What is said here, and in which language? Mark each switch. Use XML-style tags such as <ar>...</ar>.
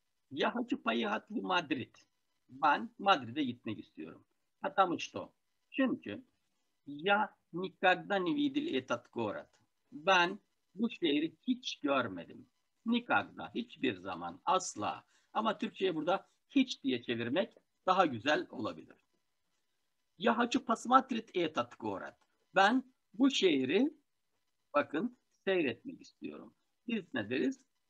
<ru>Я хочу поехать в Мадрид.</ru> <tr>Ben Madrid'e gitmek istiyorum.</tr> <ru>Потому что. Çünkü я никогда не видел этот город.</ru> <tr>Ben bu şehri hiç görmedim. Никогда, hiçbir zaman, asla. Ama Türkçe'ye burada hiç diye çevirmek daha güzel olabilir.</tr> <ru>Я хочу посмотреть этот город.</ru> <tr>Ben bu şehri, bakın, seyretmek istiyorum. Biz ne deriz?</tr>